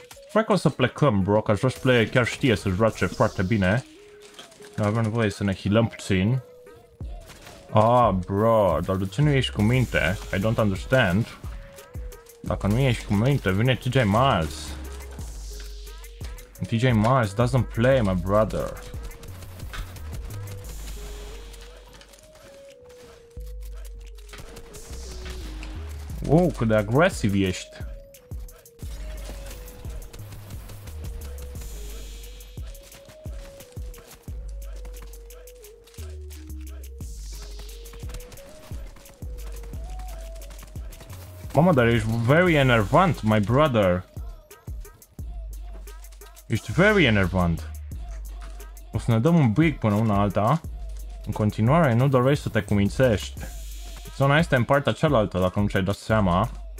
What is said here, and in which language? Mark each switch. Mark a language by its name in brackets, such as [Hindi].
[Romanian] Vreau că o să plecăm, bro, că Josh Player chiar știe să joace foarte bine. Avem nevoie să ne healăm puțin. Ah, bro, dar de ce nu ești cu minte? [English] I don't understand. [Romanian] Dacă nu ești cu minte, vine TJ Miles. [English] TJ Miles doesn't play, my brother. [Romanian] Wow, cât de agresiv ești. Mama, dar ești very enervant, [English] my brother. [Romanian] Ești very enervant. O să ne dăm un break până una alta. În continuare, nu dorești să te cumințești. Zona este în partea cealaltă, dacă nu ți-ai dat seama.